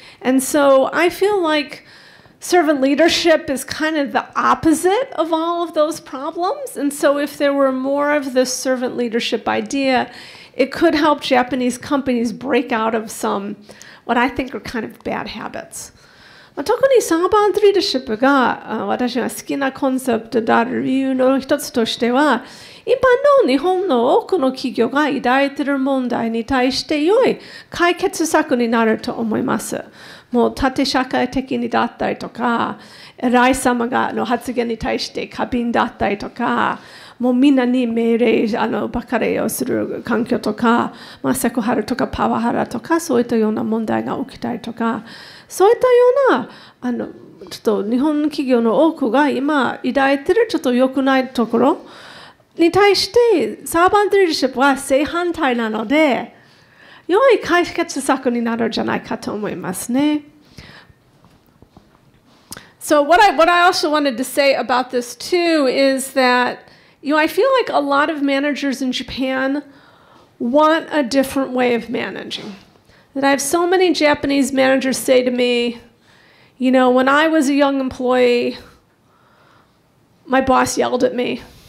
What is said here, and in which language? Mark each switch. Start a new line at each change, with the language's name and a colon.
English: And so I feel like servant leadership is kind of the opposite of all of those problems. And so if there were more of this servant leadership idea, it could help Japanese companies break out of some, what I think are kind of bad habits.
Japanese: 特にサーバントリーダーシップが私が好きなコンセプトである理由の一つとしては、一般の日本の多くの企業が抱いている問題に対して良い解決策になると思います。もう縦社会的にだったりとか、偉い様がの発言に対して過敏だったりとか、もうみんなに命令あのばかりをする環境とか、まあ、セクハラとかパワハラとか、そういったような問題が起きたりとか、そういったようなあのちょっと日本企業の多くが今抱いているちょっと良くないところに対してサーバントリーダーシップは正反対なので、良い解決策になるんじゃないかと思いますね。
English: So what I also wanted to say about this too is that, you know, I feel like a lot of managers in Japan want a different way of managing. That I have so many Japanese managers say to me, you know, when I was a young employee, my boss yelled at me.